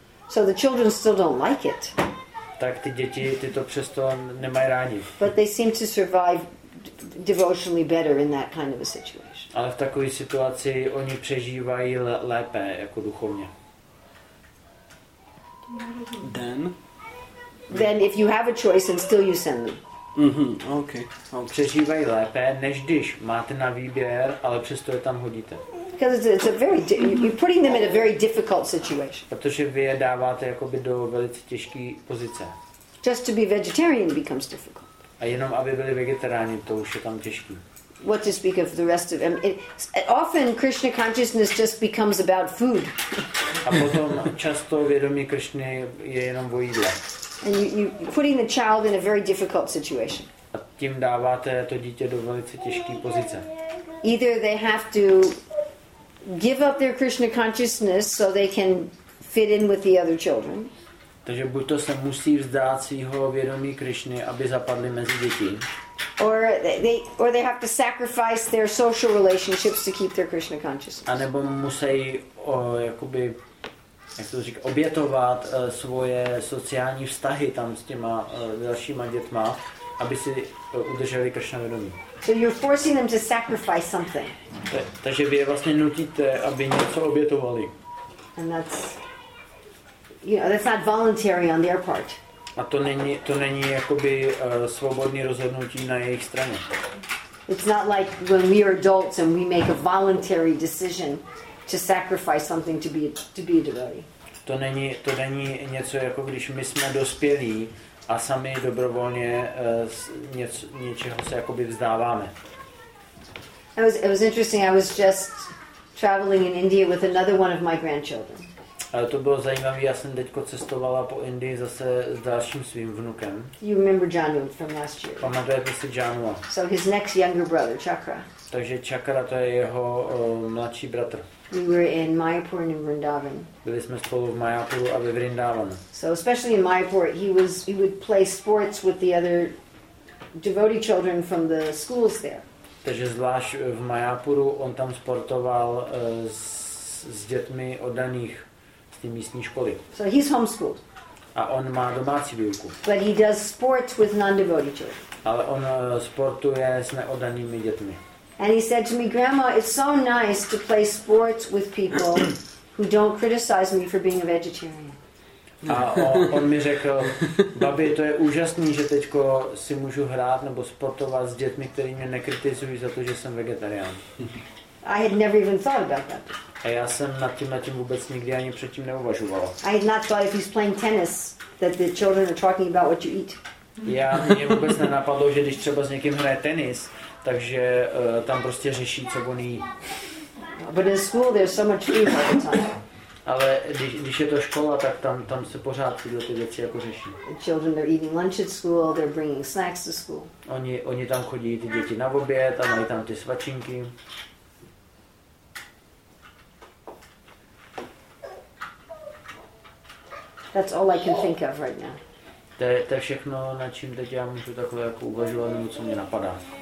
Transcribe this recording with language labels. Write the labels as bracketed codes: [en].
[en] So the children still don't like it. [cs] Tak ty děti, ty to přesto nemají rádi. [en] But they seem to survive devotionally better in that kind of a situation. [cs] Ale v takové situaci oni přežívají lépe jako duchovně. [en] Then if you have a choice and still you send them. Okay. [cs] Přežívají lépe, než když máte na výběr, ale přesto je tam hodíte. [en] Because it's a very you're putting them in a very difficult situation. [cs] Protože vy je dáváte jakoby do velice těžké pozice. [en] Just to be vegetarian becomes difficult. [cs] A jenom aby byli vegetariáni, to už je tam těžké. [en] What to speak of the rest of them? Often Krishna consciousness just becomes about food. [cs] A potom často vědomí Krishny je jenom o jídle. [en] And you're putting the child in a very difficult situation. [cs] A tím dáváte to dítě do velice těžké pozice. [en] Either they have to give up their Krishna consciousness so they can fit in with the other children. [cs] Takže buď to se musí vzdát svého vědomí Krishny, aby zapadli mezi děti. [en] Or they have to sacrifice their social relationships to keep their Krishna consciousness. [cs] A nebo musí jakoby, jak to říká, obětovat svoje sociální vztahy tam s těma dalšíma dětma, aby si udrželi Krishna vědomí. [en] So you're forcing them to sacrifice something. [cs] Takže vy je vlastně nutíte, aby něco obětovali. [en] And that's, you know, that's not voluntary on their part. [cs] A to není jakoby svobodné rozhodnutí na jejich straně. [en] It's not like when we are adults and we make a voluntary decision to sacrifice something to be a devotee. [cs] To není něco jako když my jsme dospělí a sami dobrovolně něčeho se jakoby vzdáváme. [en] It was interesting. I was just traveling in India with another one of my grandchildren. [cs] To bylo zajímavé. Já jsem teďko cestovala po Indii zase s dalším svým vnukem. [en] You remember Janu from last year? [cs] Pamatujete si Janu? [en] So his next younger brother, Chakra. [cs] Takže Chakra, to je jeho mladší bratr. [en] We were in Mayapur and in Vrindavan. [cs] Byli jsme spolu v Mayapuru a ve Vrindavanu. [en] So especially in Mayapur, he would play sports with the other devotee children from the schools there. [cs] Takže zvlášť v Mayapuru on tam sportoval s dětmi oddaných z té místní školy. [en] So he's homeschooled. [cs] A on má domácí výuku. [en] But he does sports with non-devotee children. [cs] Ale on sportuje s neoddanými dětmi. [en] And he said to me, Grandma, it's so nice to play sports with people who don't criticize me for being a vegetarian. [cs] A on mi řekl, babi, to je úžasný, že teďko si můžu hrát nebo sportovat s dětmi, kteří mě nekritizují za to, že jsem vegetarián. [en] I had never even thought about that. [cs] A já jsem nad tím vůbec nikdy ani předtím neuvažoval. [en] I had not thought if he's playing tennis that the children are talking about what you eat. [cs] Já mě vůbec nenapadlo, že když třeba s někým hraje tenis, takže tam prostě řeší, co on jí. [en] But in school there's so much food all the time. [cs] Ale když je to škola, tak tam se pořád tyhle ty věci jako řeší. [en] The children are eating lunch at school, they're bringing snacks to school. [cs] Oni tam chodí ty děti na oběd a mají tam ty svačinky. [en] That's all I can think of right now. [cs] To je všechno, na čím teď já můžu takhle jako uvažovat, nebo co mě napadá.